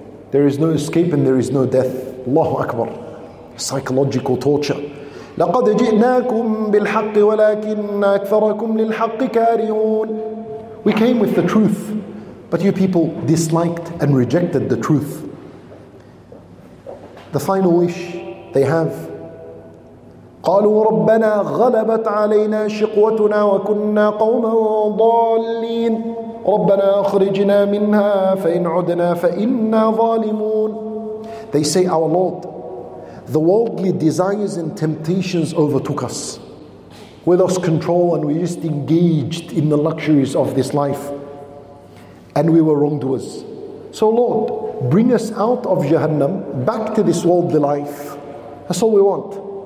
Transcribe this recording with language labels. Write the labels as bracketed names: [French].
[English] There is no escape and there is no death. Allahu Akbar. Psychological torture. [Arabic] لَقَدْ جِئْنَاكُمْ بِالْحَقِّ وَلَكِنَّ أَكْثَرَكُمْ لِلْحَقِّ كَارِهُونَ. [English] We came with the truth, but you people disliked and rejected the truth. The final wish they have, [Arabic] قالوا ربنا غلبت علينا شقوتنا وكنا قوما ضالين ربنا أخرجنا منها فإن عدنا فإنا ظالمون. [English] They say, our Lord, the worldly desires and temptations overtook us. We lost control and we just engaged in the luxuries of this life. And we were wrongdoers. So Lord, bring us out of Jahannam, back to this worldly life. That's all we want.